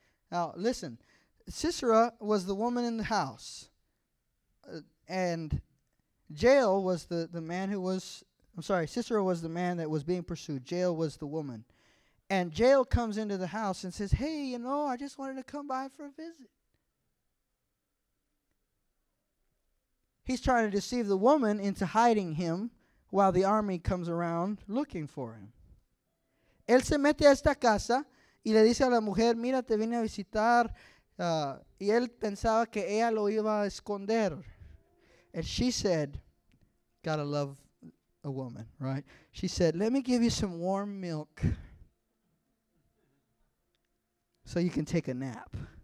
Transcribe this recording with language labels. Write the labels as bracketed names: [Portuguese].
[English] Now, listen, Sisera was the woman in the house, and Jael was the man who was, I'm sorry, Sisera was the man that was being pursued. Jael was the woman. And Jael comes into the house and says, hey, you know, I just wanted to come by for a visit. He's trying to deceive the woman into hiding him while the army comes around looking for him. [Spanish] Él se mete a esta casa y le dice a la mujer, mira, te vine a visitar. Y él pensaba que ella lo iba a esconder. [English] And she said, gotta love a woman, right? She said, let me give you some warm milk so you can take a nap.